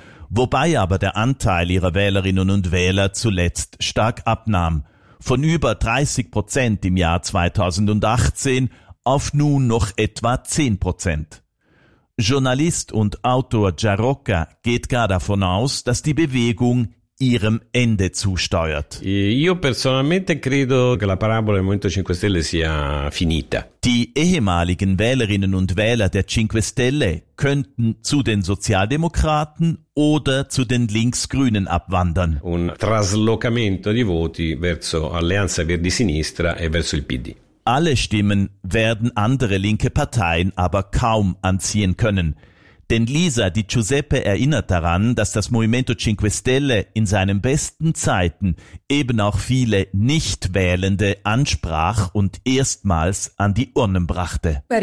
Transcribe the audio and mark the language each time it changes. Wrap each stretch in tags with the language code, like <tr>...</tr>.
<de>Wobei aber der Anteil ihrer Wählerinnen und Wähler zuletzt stark abnahm. Von über 30% im Jahr 2018 auf nun noch etwa 10%. Journalist und Autor Giarocca geht gar davon aus, dass die Bewegung ihrem Ende zusteuert.</de> <it>Io personalmente credo che la parabola del Movimento 5 Stelle sia finita.</it> <de>Die ehemaligen Wählerinnen und Wähler der Cinque Stelle könnten zu den Sozialdemokraten oder zu den Linksgrünen abwandern.</de> <it>Un traslocamento di voti verso Alleanza Verdi Sinistra e verso il PD.</it> <de>Alle Stimmen werden andere linke Parteien aber kaum anziehen können. Denn Lisa Di Giuseppe erinnert daran, dass das Movimento 5 Stelle in seinen besten Zeiten eben auch viele Nichtwählende ansprach und erstmals an die Urnen brachte.</de>